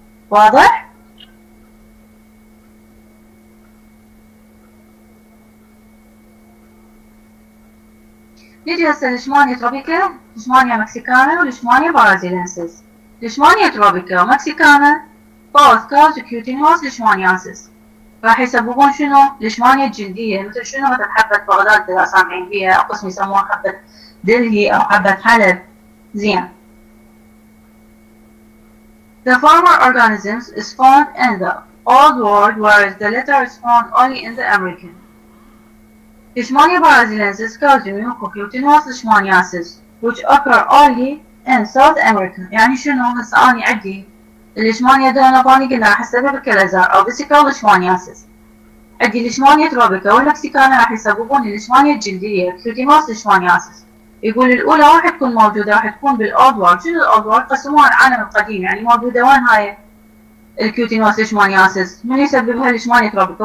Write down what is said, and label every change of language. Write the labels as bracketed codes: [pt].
[ar] واضح؟ نجي هسه ليشمانيا تروبيكا، ليشمانيا مكسيكانا، وليشمانيا برازيلنسيس. ليشمانيا تروبيكا ومكسيكانا [en] both cause cutaneous leishmaniasis، [ar] راح يسببون شنو؟ ليشمانيا جلدية، مثل شنو؟ مثل حبة بغداد إذا سامعين فيها، قسم يسموها حبة دلهي أو حبة حلب. زين. [en] The former organisms is found in the old world whereas the latter is found only in the American. Leishmania brazilensis causes mucocutaneous leishmaniasis which occur only in South America. [ar] يعني شنو؟ بس أنا عندي الليشمانيا دونوفاني قلنا راح تسبب الكلازار أو فيسيكال ليشمانياسيس. عندي الليشمانيا تروبيكا والمكسيكانا راح يسببون الليشمانيا الجلدية كيوتينوس ليشمانياسيس. يقول الأولى راح تكون موجودة، راح تكون بالأولد وورد. شنو الأولد وورد؟ قسموها العالم القديم، يعني موجودة وين هاي الكيوتينوس ليشمانياسيس؟ من يسببها؟ الليشمانيا تروبيكا.